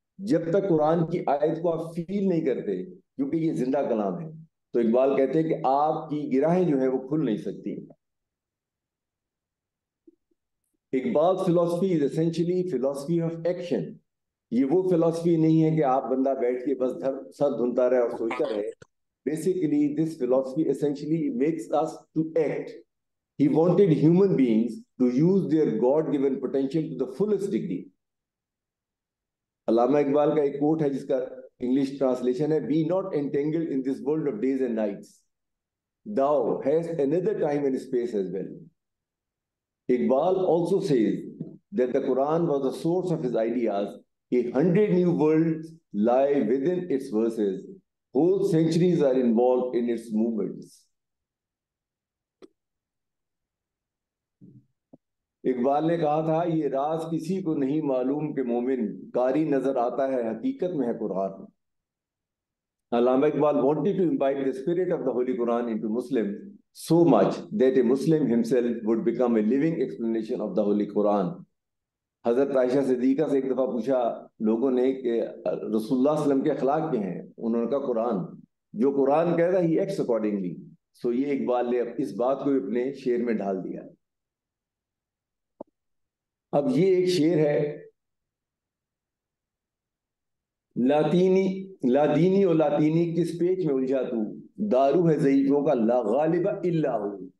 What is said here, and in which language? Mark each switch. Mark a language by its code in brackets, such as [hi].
[ur] جب تک قرآن کی آیت کو آپ فیل نہیں کرتے، کیونکہ یہ زندہ کلام ہے، تو اقبال کہتے ہیں کہ آپ کی گراہیں جو ہیں وہ کھل نہیں سکتی. اقبال فلسفی [en] Is essentially فلسفی of action. [ur] یہ وہ فلسفی نہیں ہے کہ آپ بندہ بیٹھ کے بس سر دھنتا رہے اور سوچتا رہے. [en] basically this philosophy essentially makes us to act. He wanted human beings to use their God-given potential to the fullest degree. [ur] Allama Iqbal ka ek quote hai jiska English translation hai, [en] be not entangled in this world of days and nights. Thou has another time and space as well. Iqbal also says that the Quran was the source of his ideas. A 100 new worlds lie within its verses. Whole centuries are involved in its movements. [ur] Iqbal نے کہا تھا یہ راز کسی کو نہیں معلوم کہ مومن قاری نظر آتا ہے حقیقت میں ہے قرآن. [en] Allama Iqbal wanted to imbibe the spirit of the Holy Quran into Muslim so much that a Muslim himself would become a living explanation of the Holy Quran. [ur] حضرت عائشہ صدیقہ سے ایک دفعہ پوچھا لوگوں نے کہ رسول اللہ علیہ وسلم کے اخلاق کیا ہیں, انہوں نے کہا قرآن, جو قرآن کہتا ہے [en] ہی acts accordingly. [ur] سو یہ اقبال نے اس بات کو اپنے شعر میں ڈھال دیا. اب یہ ایک شعر ہے لادینی اور لاطینی, کس پیچ میں الجھا تو, دارو ہے ضعیفوں کا [ar] لا غالب الا ہو.